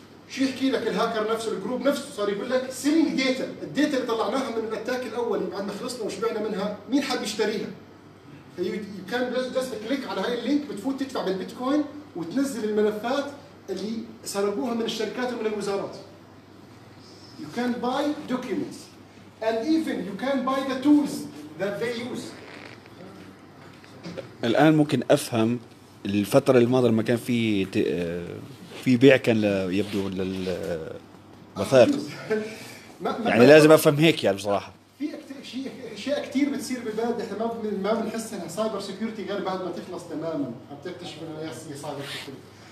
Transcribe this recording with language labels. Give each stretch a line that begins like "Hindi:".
Arabic: شو يحكي لك الهاكر نفسه الجروب نفسه صار يقول لك
English: selling data,
Arabic: الداتا اللي طلعناها من الاتاك الاول بعد ما خلصنا وشبعنا منها مين حاب يشتريها؟
English: فيو can just click
Arabic: على هاي اللينك بتفوت تدفع بالبيتكوين وتنزل الملفات اللي سرقوها من الشركات ومن الوزارات.
English: You can buy documents and even you can buy the tools that they use.
Arabic: الآن ممكن أفهم الفترة الماضية ما كان في بيع كان يبدو للوثائق. يعني لازم أفهم هيك يعني بصراحة. في أشياء كتير بتصير بالبلد إحنا ما بنحس إنها سايبر سيكيورتي غير بعد ما تخلص تماماً عم تكتشف إنها هي سايبر سيكيورتي.